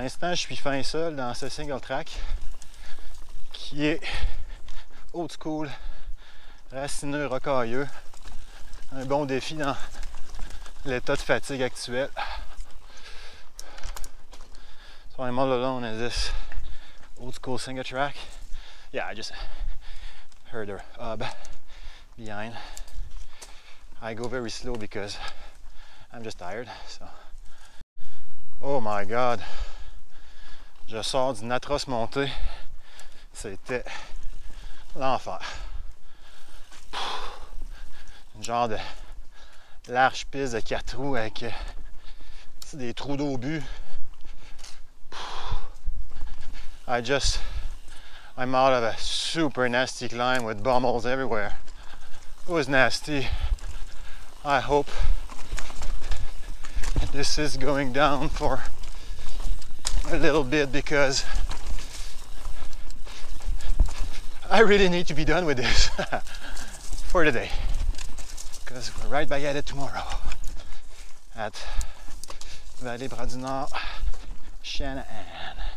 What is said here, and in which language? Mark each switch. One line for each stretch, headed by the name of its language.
French: Je suis fin seul dans ce single track qui est old school, racineux, rocailleux, un bon défi dans l'état de fatigue actuel.
English: So I'm all alone in this old school single track. Yeah, I just heard a hub behind. I go very slow because I'm just tired. So, oh my god!
French: Je sors d'une atroce montée. C'était l'enfer. Une genre de large piste de 4 roues avec des trous d'obus.
English: I'm out of a super nasty climb with bumbles everywhere. It was nasty. I hope this is going down for a little bit because I really need to be done with this for today, because we're right back at it tomorrow at Vallée Bras du Nord, Shanahan.